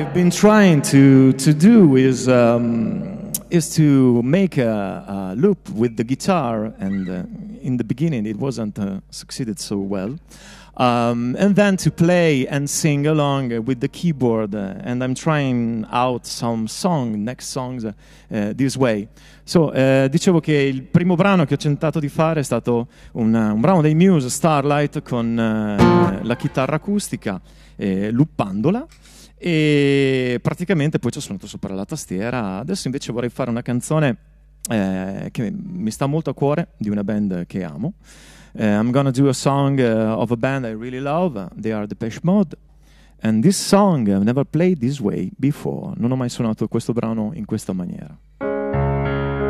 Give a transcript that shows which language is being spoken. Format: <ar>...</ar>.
<en>trying to do is to make a loop with the guitar, and in the beginning it wasn't succeeded so well, and then to play and sing along with the keyboard, and I'm trying out some next songs this way.</en> <it>So dicevo che il primo brano che ho tentato di fare è stato un brano dei Muse, Starlight, con la chitarra acustica, loopandola. E praticamente poi ci ho suonato sopra la tastiera. Adesso invece vorrei fare una canzone che mi sta molto a cuore, di una band che amo.</it> <en>I'm gonna do a song of a band I really love. They are Depeche Mode. And this song I've never played this way before.</en> <it>Non ho mai suonato questo brano in questa maniera.</it>